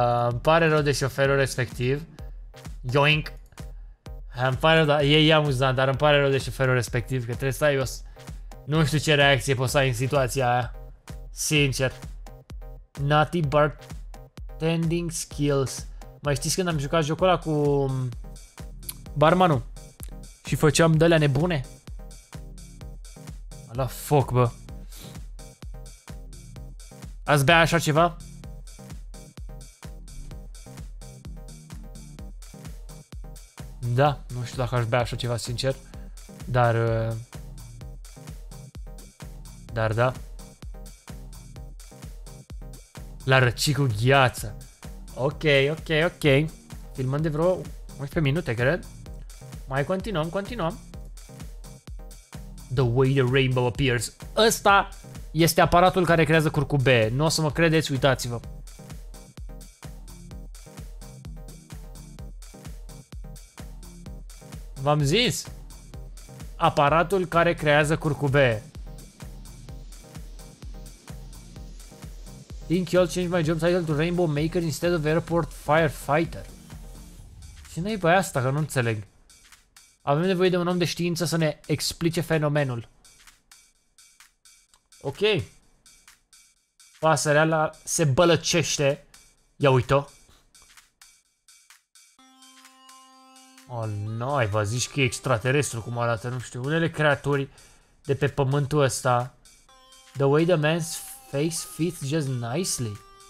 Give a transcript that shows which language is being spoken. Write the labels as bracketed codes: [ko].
[ro] îmi pare rău de șoferul respectiv. Yoink. Îmi pare rău, e amuzant, dar îmi pare rău de șoferul respectiv, că trebuie să ai os. Nu știu ce reacție poți să ai în situația aia. Sincer. [en] Naughty bartending skills. [ro] Mai știți când am jucat jocul ăla cu barmanul? Și făceam de-alea nebune? La foc, bă. Ați bea așa ceva? Da, nu știu dacă aș bea așa ceva, sincer. Dar... dar da. La răci cu gheață. Ok, ok, ok. Filmăm de vreo 11 minute, cred. Mai continuăm, continuăm. [en] The way the rainbow appears. [ro] Ăsta este aparatul care creează curcube. Nu o să mă credeți, uitați-vă. V-am zis. Aparatul care creează curcube. [en] Think you'll change my job title to Rainbow Maker instead of Airport Firefighter. [ro] Și nu-i pe asta, că nu înțeleg. Avem nevoie de un om de știință să ne explice fenomenul. Ok. Pasărea la se bălăcește. Ia uite-o. Oh, n-ai, vă zici că e extraterestru cum arată, nu știu. Unele creaturi de pe pământul ăsta. [en] The way the man's face fits just nicely.